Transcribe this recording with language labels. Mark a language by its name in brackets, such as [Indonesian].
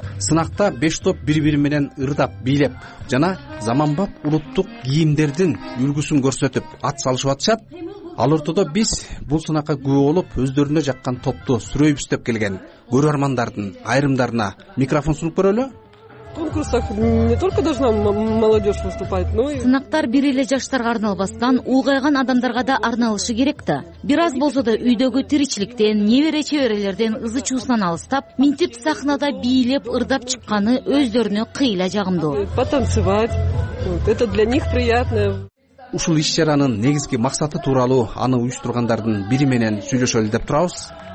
[Kyrgyz] Сынакта 5 топ бири бири менен ырдап бийлеп жана заманбап улуттук кийимдердин үлгүсүн көрсөтүп ат салышып атышат. Ал ортодо биз бул сынакка күбө болуп өздөрүнө жаккан топту сүрөйбүз деп келген көрөрмандардын айрымдарына микрофон сунуп көрөлү. [Russian] Конкурсах не только должна молодежь выступать, но и... [Kyrgyz] Сынактар бир эле жаштарга арналбастан, улгайган адамдарга да арналышы керек да. Бир аз болсо да үйдөгү тиричиликтен, небере чеберелерден ызычуусунан алыстап, минтип сахнада бийлеп, ырдап чыкканы өздөрүнө кыйла жагымдуу. [Russian] Потанцевать, это для них приятное. [Kyrgyz] Ушул иш чаранын негизги максаты тууралуу аны уюштургандардын бири менен сүйлөшөлү деп турабыз.